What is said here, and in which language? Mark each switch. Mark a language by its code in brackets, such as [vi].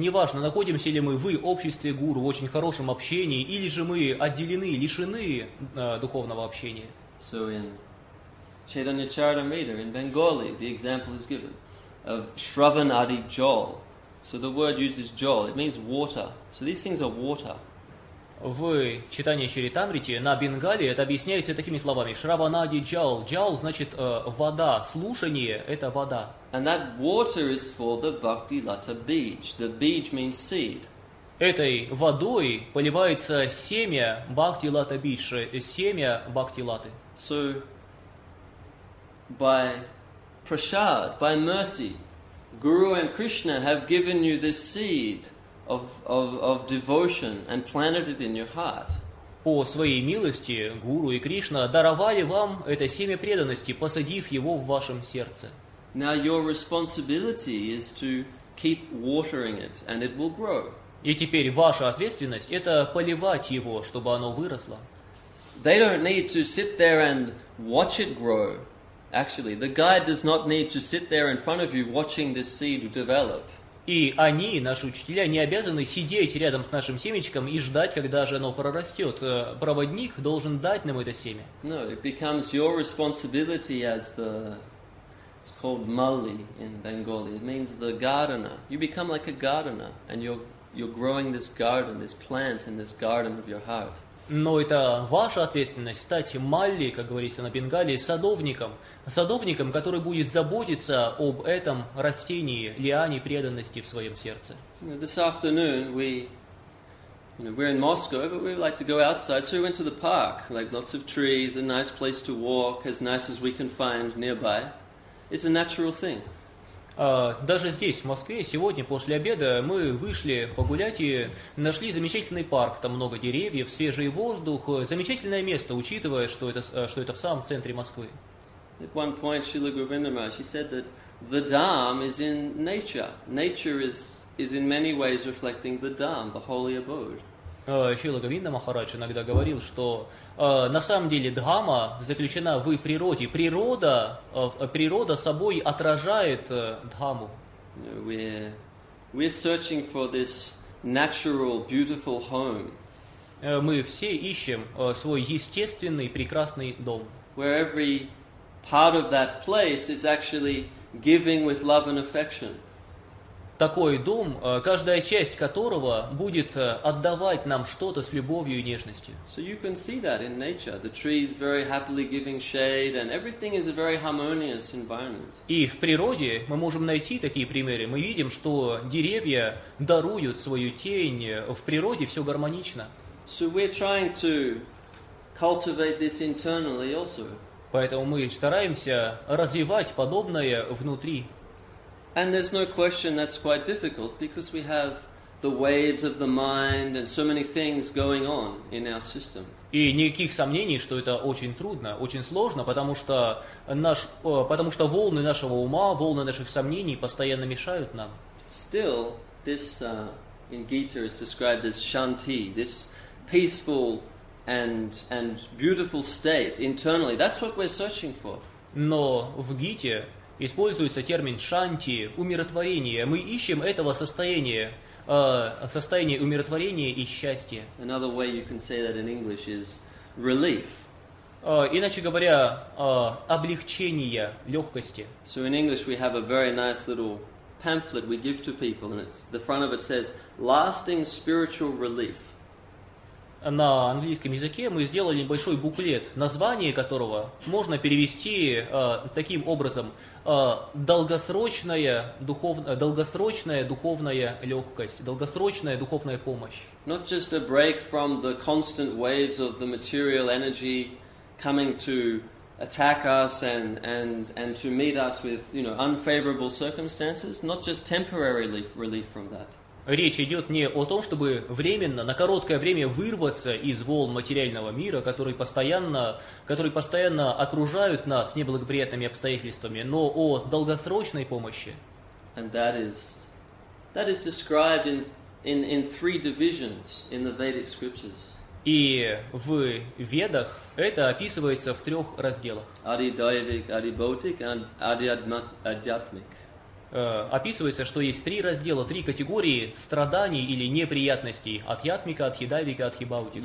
[ru] Неважно, находимся ли мы в обществе гуру, в очень хорошем общении, или же мы отделены, лишены духовного общения. [en] So in Chaitanya Charitamrita, in Bengali, the example is given of Shravanadi Jol. So the word uses Jol, it means water. So these things are water. [ru] В читании Чаритамрити на Бенгали это объясняется такими словами. Шраванади джал. Джал значит вода. Слушание – это вода. [en] And that water is for the Bhakti Lata Beach. The beach means seed. [ru] Этой водой поливается семя Бхакти Лата Бич, семя Бхакти Латы. [en] So, by prashad, by mercy, Guru and Krishna have given you this seed of devotion and planted it in your heart. [ru] По своей милости Гуру и Кришна даровали вам это семя преданности, посадив его в вашем сердце. [en] Now your responsibility is to keep watering it, and it will grow. [ru] И теперь ваша ответственность – это поливать его, чтобы оно выросло. [en] They don't need to sit there and watch it grow. Actually, the guide does not need to sit there in front of you watching this seed develop. [ru] И они, наши учителя, не обязаны сидеть рядом с нашим семечком и ждать, когда же оно прорастет. Проводник должен дать нам это семя. [en] No, it becomes your responsibility as the, it's called Malli in Bengali. It means the gardener. You become like a gardener, and you're growing this garden, this plant in this garden of your heart. [ru] Но это ваша ответственность стать Малли, как говорится на Бенгали, садовником. Садовником, который будет заботиться об этом растении, лиане преданности в своем сердце. [en] This afternoon we, you know, we're in Moscow, but we like to go outside, so we went to the park. Like lots of trees, a nice place to walk, as nice as we can find nearby. It's a natural thing. [ru] Даже здесь, в Москве, сегодня после обеда мы вышли погулять и нашли замечательный парк. Там много деревьев, свежий воздух. Замечательное место, учитывая, что это в самом центре Москвы. [en] At one point, Srila Govinda Maharaj, she said that the Dham is in nature. Nature is in many ways reflecting the Dham, the holy abode. [ru] Шрила Говинда Махарадж иногда говорил, что на самом деле Дхамма заключена в природе. Природа собой отражает Дхамму. [en] We're searching for this natural, beautiful home. [ru] Мы все ищем свой естественный, прекрасный дом. [en] Where every part of that place is actually giving with love and affection. [ru] Такой дом, каждая часть которого будет отдавать нам что-то с любовью и нежностью. [en] So you can see that in nature. The trees very happily giving shade, and everything is a very harmonious environment. [ru] И в природе мы можем найти такие примеры. Мы видим, что деревья даруют свою тень. В природе все гармонично. [en] So we're trying to cultivate this internally also. [ru] Поэтому мы стараемся развивать подобное внутри. [en] And there's no question that's quite difficult because we have the waves of the mind and so many things going on in our system. [ru] И никаких сомнений, что это очень трудно, очень сложно, потому что волны нашего ума, волны наших сомнений постоянно мешают нам. [en] Still, this in Gita is described as shanti, this peaceful and beautiful state internally. That's what we're searching for. [ru] Но в Гите используется термин шанти, умиротворение. Мы ищем этого состояния, состояние умиротворения и счастья. [en] Another way you can say that in English is relief. [ru] Иначе говоря, облегчение, легкости. [en] So in English we have a very nice little pamphlet we give to people, and it's the front of it says lasting spiritual relief. [ru] На английском языке мы сделали небольшой буклет, название которого можно перевести таким образом: долгосрочная духовная легкость, долгосрочная духовная помощь. [en] Not just a break from the constant waves of the material energy coming to attack us and to meet us with, you know, unfavorable circumstances, not just temporary relief from that. [ru] Речь идет не о том, чтобы временно, на короткое время вырваться из волн материального мира, которые постоянно окружают нас неблагоприятными обстоятельствами, но о долгосрочной помощи. [en] And that is described in three divisions in the Vedic scriptures. [ru] И в Ведах это описывается в трех разделах. [en] Adi-daivik, adi-bhautik, and adi-adhyatmik. [ru] Описывается, что есть три раздела, три категории страданий или неприятностей: адхьятмика, адхидайвика, адхибаутика.